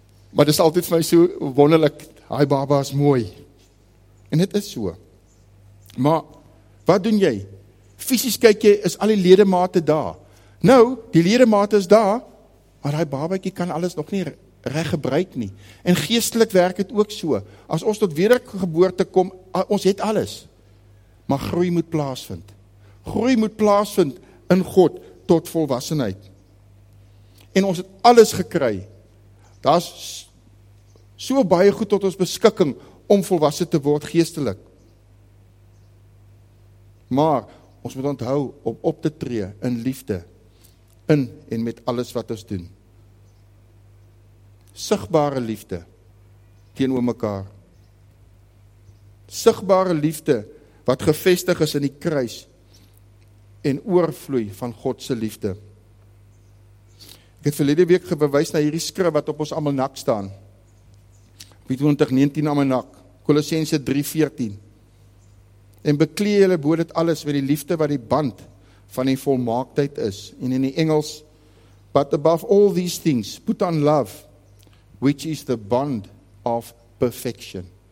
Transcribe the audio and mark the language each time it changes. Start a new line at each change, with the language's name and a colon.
Afrikaans: Maar dit is altyd vir my so wonderlik. Hy baba is mooi. En dit is so. Maar, wat doen jy? Fisies kyk jy, is al die ledemate daar. Nou, die ledemate is daar, maar hy babatjie kan alles nog nie reg gebruik nie. En geestelik werk het ook so. As ons tot wedergeboorte kom, ons het alles. Maar groei moet plaasvind. Groei moet plaasvind in God. tot volwassenheid. En ons het alles gekry. Daar's so baie goed tot ons beskikking om volwassen te word geestelik. Maar ons moet onthou om op te tree in liefde, in en met alles wat ons doen. Sigbare liefde teenoor mekaar. Sigbare liefde wat gevestig is in die kruis en oorvloei van God se liefde. Ek het verlede week gewys na hierdie skrif wat op ons almanak staan. 2019 almanak, Kolossense 3:14. En beklee julle bo dit alles met die liefde wat die band van die volmaaktheid is. En in die Engels,
English: but above all these things, put on love, which is the bond of perfection.